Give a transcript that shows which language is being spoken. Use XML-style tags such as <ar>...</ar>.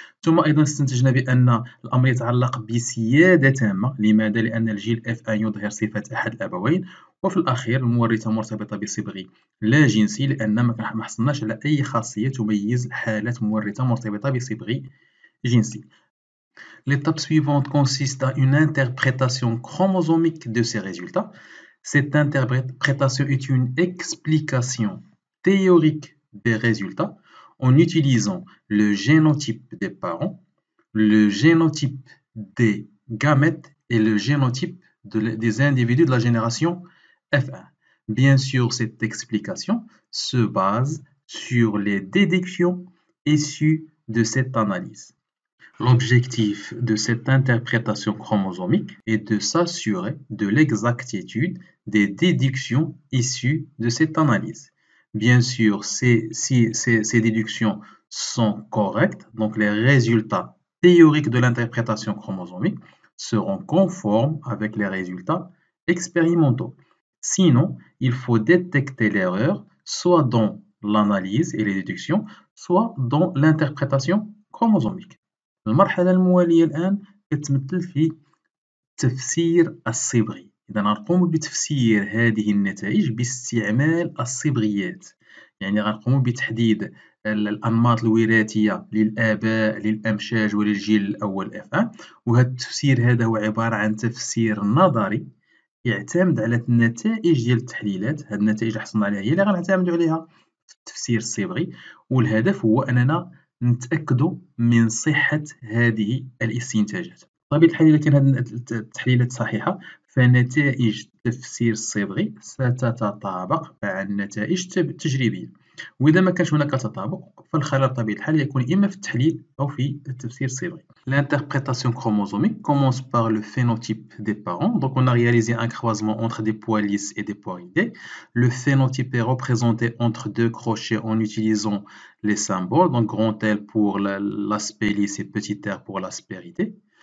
<ar>ثم أيضا استنتجنا بأن الأمر يتعلق بسيادة تامة، لماذا؟ لأن الجيل FA يظهر صفات أحد الأبوين، وفي الأخير المورثة مرتبطة بصبغي لا جنسي، لأن ما حصلناش على أي خاصية تميز حالات مورثة مرتبطة بصبغي جنسي.</ar> <fr>L'étape suivante consiste à une interprétation chromosomique de ces résultats. Cette interprétation est une explication théorique des résultats en utilisant le génotype des parents, le génotype des gamètes et le génotype des individus de la génération F1. Bien sûr, cette explication se base sur les déductions issues de cette analyse. L'objectif de cette interprétation chromosomique est de s'assurer de l'exactitude des déductions issues de cette analyse. Bien sûr, si ces déductions sont correctes, donc les résultats théoriques de l'interprétation chromosomique seront conformes avec les résultats expérimentaux. Sinon, il faut détecter l'erreur soit dans l'analyse et les déductions, soit dans l'interprétation chromosomique.</fr> <ar>المرحلة الموالية الآن تتمثل في تفسير الصبغي، إذا نقوم بتفسير هذه النتائج باستعمال الصبغيات، يعني غنقوم بتحديد الأنماط الوراثية للآباء للأمشاج وللجيل الأول F1، وهذا التفسير هذا هو عبارة عن تفسير نظري يعتمد على النتائج ديال التحليلات، هذه النتائج اللي حصلنا عليها هي اللي غنعتمدوا عليها في التفسير الصبغي، والهدف هو أننا نتأكد من صحة هذه الاستنتاجات. طبيعة الحال إذا كانت التحليلات صحيحة، فنتائج التفسير الصبغي ستتطابق مع النتائج التجريبية. وإذا ما كانش هناك تطابق، فالخلل بطبيعة الحال يكون إما في التحليل أو في التفسير الصبغي.</ar> <fr>L'interprétation chromosomique commence par le phénotype des parents. Donc, on a réalisé un croisement entre des pois lisses et des pois ridés. Le phénotype est représenté entre deux crochets en utilisant les symboles. Donc, grand L pour l'aspect lisse et petit r pour l'aspect ridé.</fr>